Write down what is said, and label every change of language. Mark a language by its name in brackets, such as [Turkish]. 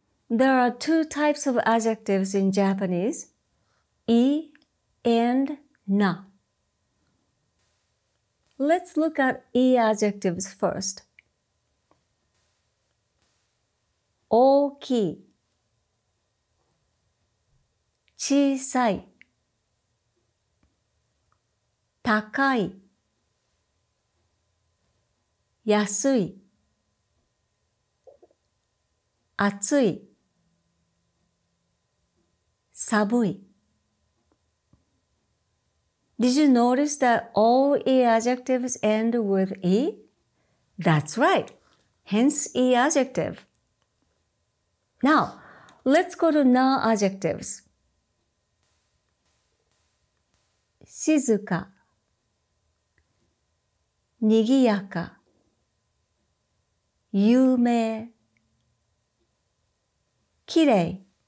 [English] There are two types of adjectives in Japanese, i and na. Let's look at i adjectives first. [Japanese] 大きい、小さい、高い、安い、暑い、寒い。 [English] Did you notice that all e adjectives end with e? That's right. Hence e adjective. Now, let's go to na adjectives. [Japanese] 静か、にぎやか、有名、きれい。